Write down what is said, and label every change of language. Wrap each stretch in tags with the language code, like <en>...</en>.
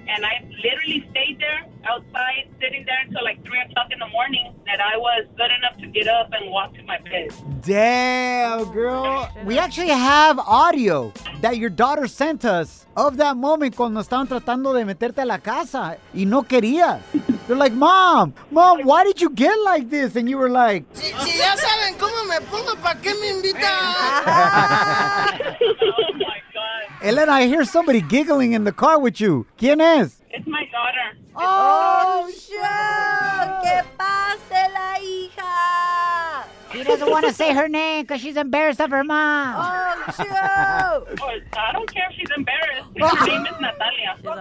<en>And I literally stayed there outside, sitting there until like 3 o'clock in the morning, that I was good enough to get up and walk to my bed. Damn, girl. We actually have audio that your daughter sent us of that moment</en> <es>cuando estaban tratando de meterte a la casa y no querías.</es> <en>They're like, Mom, why did you get like this? And you were like,</en> <es>si ya saben cómo me pongo, ¿para qué me invitan?</es> <en>Oh, my God. Elena, I hear somebody giggling in the car with you.</en> <es>¿Quién es?</es> <en>It's my daughter.</en> <es>Que pase la hija.</es> <en>He doesn't want to say her name because she's embarrassed of her mom. Oh, shoot. Oh, I don't care if she's embarrassed. Her name is Natalia.</en>